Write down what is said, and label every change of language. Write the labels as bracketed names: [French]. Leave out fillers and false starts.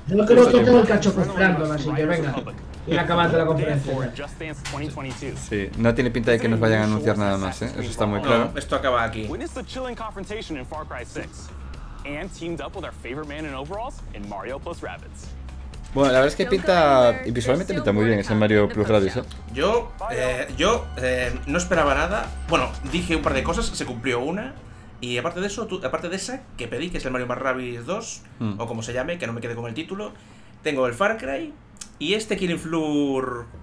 [Spanish] Yo no creo que tengo el cacho frustrando, así que venga. Y acabando la conferencia. Sí, no tiene pinta de que nos vayan a anunciar nada más, Eso está muy claro. No, esto acaba aquí. ¿Cuándo es la [English] chilling confrontation [Spanish] en Far Cry 6? [English] And teamed up with our favorite man in overalls in Mario plus Rabbids. [Spanish] Bueno, la verdad es que pinta, y visualmente pinta muy bien ese Mario Plus Rabbids, Yo no esperaba nada. Bueno, dije un par de cosas, se cumplió una. Y aparte de eso, que pedí, que es el Mario + Rabbids 2, o como se llame, que no me quede con el título, tengo el Far Cry y este Killing Floor.